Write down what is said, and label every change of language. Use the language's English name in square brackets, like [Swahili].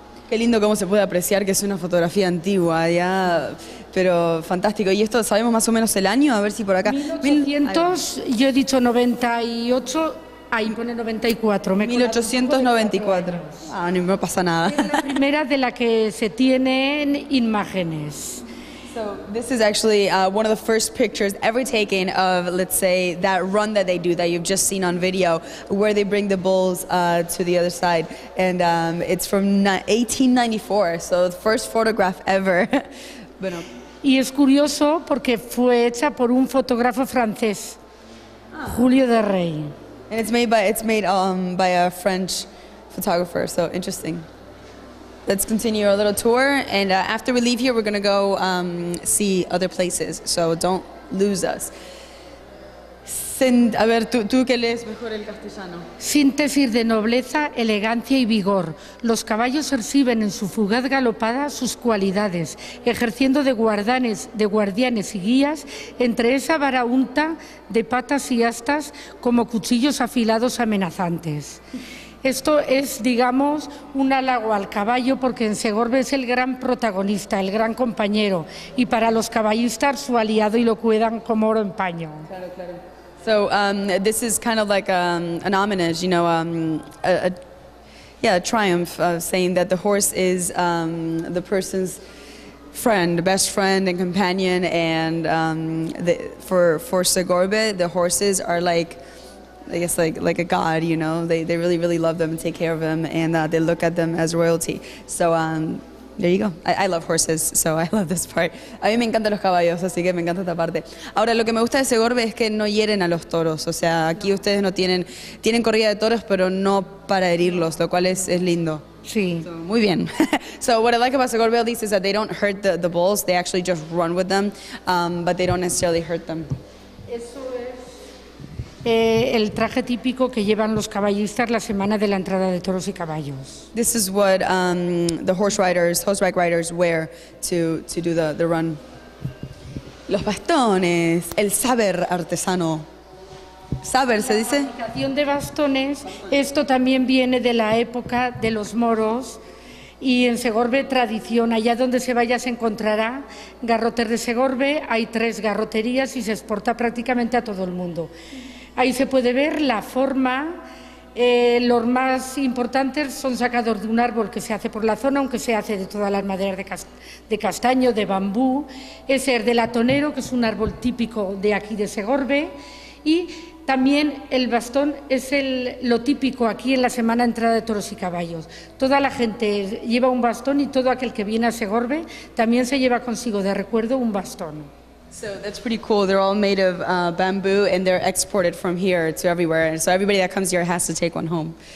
[Spanish] Qué lindo cómo se puede apreciar que es una fotografía antigua, ya, pero fantástico. ¿Y esto sabemos más o menos el año? A ver si por acá... 1800, yo he dicho 98... Ahí pone 94. 1894. Ah, no me pasa nada. Es la primera de la que se tienen imágenes. [English] So this is actually one of the first pictures ever taken of, let's say, that run that they do that you've just seen on video, where they bring the bulls to the other side. And it's from 1894, so the first photograph ever. [Spanish] Bueno. Y es curioso porque fue hecha por un fotógrafo francés, Julio de Rey. [English] And it's made by a French photographer, so interesting. Let's continue our little tour, and after we leave here, we're gonna go see other places, so don't lose us. [Spanish] A ver, ¿tú qué lees mejor el castellano? Síntesis de nobleza, elegancia y vigor. Los caballos exhiben en su fugaz galopada sus cualidades, ejerciendo de guardianes y guías entre esa barahunta de patas y astas como cuchillos afilados amenazantes. Esto es, digamos, un halago al caballo, porque en Segorbe es el gran protagonista, el gran compañero, y para los caballistas su aliado, y lo cuidan como oro en paño. Claro, claro. [English] So this is kind of like an homage, you know, a yeah, triumph of saying that the horse is the person's friend, best friend and companion, and for Segorbe, the horses are like, I guess, like a god, you know. They really, really love them and take care of them, and they look at them as royalty. So there you go. I love horses, so I love this part. [Spanish] A mí me encantan los caballos, así que me encanta esta parte. Ahora, lo que me gusta de Segorbe es que no hieren a los toros. O sea, aquí ustedes no tienen, tienen corrida de toros, pero no para herirlos, lo cual es lindo. Sí. So, muy bien. [English] So what I like about Segorbe is that they don't hurt the bulls. They actually just run with them, but they don't necessarily hurt them. [Spanish] El traje típico que llevan los caballistas la semana de la entrada de toros y caballos. [English] This is what the horseback riders wear to do the run. [Spanish] Los bastones, el saber artesano. Saber, ¿se dice? La fabricación de bastones, esto también viene de la época de los moros. Y en Segorbe, tradición, allá donde se vaya se encontrará garrotes de Segorbe. Hay tres garroterías y se exporta prácticamente a todo el mundo. Ahí se puede ver la forma, los más importantes son sacados de un árbol que se hace por la zona, aunque se hace de todas las maderas de castaño, de bambú. Ese es del atonero, que es un árbol típico de aquí de Segorbe. Y también el bastón es lo típico aquí en la semana entrada de toros y caballos. Toda la gente lleva un bastón y todo aquel que viene a Segorbe también se lleva consigo de recuerdo un bastón. [English] So that's pretty cool. They're all made of bamboo and they're exported from here to everywhere. And so everybody that comes here has to take one home.